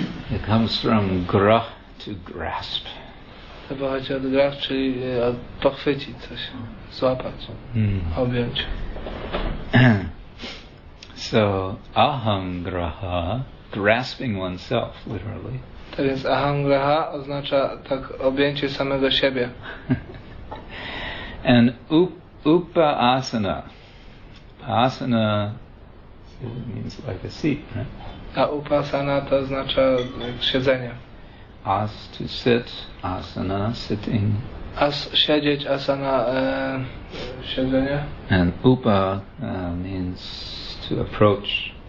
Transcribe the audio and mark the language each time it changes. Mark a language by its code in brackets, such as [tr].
[en] It comes from grah, to grasp. [pl] To pochodzi od grah, czyli od pochwycić coś, złapać, objąć. [en] So, ahangraha, grasping oneself, literally. [pl] To jest ahangraha, oznacza tak objęcie samego siebie. [en] And upa asana. Asana means like a seat, right? [pl] A upasana to oznacza siedzenie. [en] As to sit, asana, sitting. [pl] As siedzieć, asana, siedzenie. [en] And upa means to approach.